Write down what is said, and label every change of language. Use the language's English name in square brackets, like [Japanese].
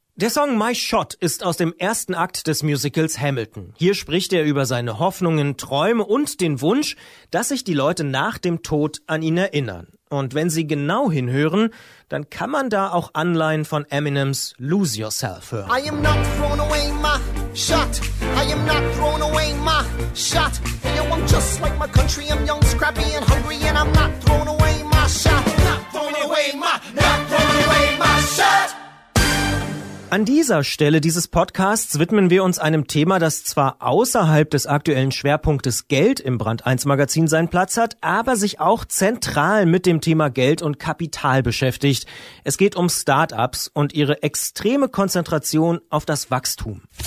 [German] Der Song My Shot ist aus dem ersten Akt des Musicals Hamilton. Hier spricht er über seine Hoffnungen, Träume und den Wunsch, dass sich die Leute nach dem Tod an ihn erinnern. Und wenn sie genau hinhören, dann kann man da auch Anleihen von Eminems Lose Yourself hören. [English] I am not thrown away my shot. I am not thrown away my shot. Hey, yo, I'm just like my country. I'm young, scrappy and hungry and I'm not thrown away my shot. Not thrown away my, not thrown away my shot. [German] An dieser Stelle dieses Podcasts widmen wir uns einem Thema, das zwar außerhalb des aktuellen Schwerpunktes Geld im Brand 1 Magazin seinen Platz hat, aber sich auch zentral mit dem Thema Geld und Kapital beschäftigt. Es geht um Startups und ihre extreme Konzentration auf das Wachstum.